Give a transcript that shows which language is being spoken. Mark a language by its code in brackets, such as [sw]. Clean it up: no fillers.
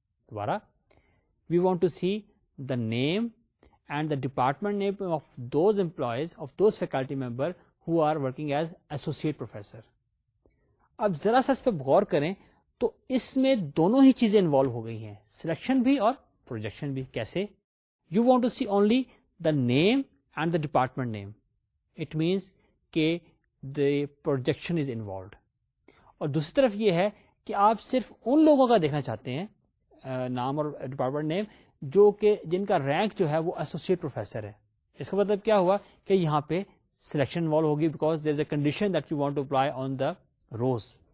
[en] دوبارہ we want to see the name and the department name of those employees, of those faculty member who are working as associate professor. [ur] اب ذرا سا اس پہ غور کریں تو اس میں دونوں ہی چیزیں انوالو ہو گئی ہیں, سلیکشن بھی اور پروجیکشن بھی. [en] کیسے؟ You want to see only the name and the department name, it means کہ the projection is involved. [ur] اور دوسری طرف یہ ہے کہ آپ صرف ان لوگوں کا دیکھنا چاہتے ہیں نام اور ڈپارٹمنٹ نیم جو کہ جن کا رینک جو ہے وہ ایسوسیٹ پروفیسر ہے. اس کا مطلب کیا ہوا کہ یہاں پہ سلیکشن انوالو ہوگی [en] Because there is a condition that you want to apply on the rows.